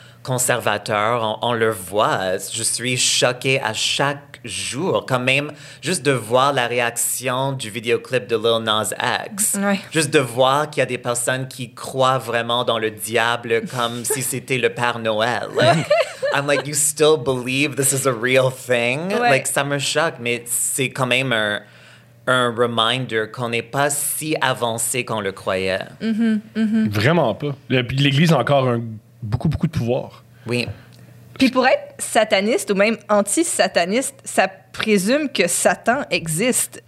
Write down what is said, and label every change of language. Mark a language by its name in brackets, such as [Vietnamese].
[French] conservateur, on le voit. Je suis choquée à chaque jour, quand même, juste de voir la réaction du vidéoclip de Lil Nas X. Oui. Juste de voir qu'il y a des personnes qui croient vraiment dans le diable comme si c'était le Père Noël. [English] I'm like, you still believe this is a real thing? [French] Oui. Like, ça me choque, mais c'est quand même un reminder qu'on n'est pas si avancé qu'on le croyait. Mm-hmm, mm-hmm. Vraiment pas. L'Église a encore beaucoup, beaucoup de pouvoir. Oui. Puis pour être sataniste ou même anti-sataniste, ça présume que Satan existe.